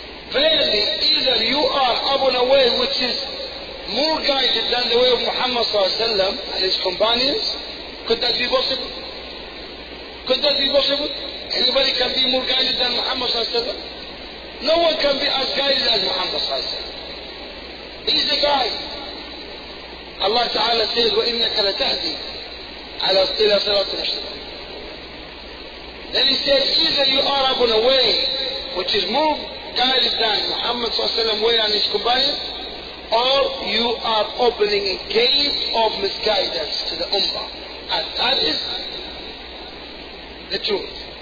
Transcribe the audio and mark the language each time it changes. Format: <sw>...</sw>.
<en>Verily, either you are upon a way which is more guided than the way of Muhammad صلى الله عليه وسلم and his companions. Could that be possible? Could that be possible? Anybody can be more guided than Muhammad صلى الله عليه وسلم? No one can be as guided as Muhammad صلى الله عليه وسلم. He's the guide. Allah Ta'ala says,</en> <ar>وَإِنَّكَ لَتَهْدِي عَلَى صِرَاطٍ مُسْتَقِيمٍ.</ar> <en>Then he says, either you are upon a way which is more guided than Muhammad صلى الله عليه وسلم way and his companions, or you are opening a gate of misguidance to the Ummah. And that is the truth.</en>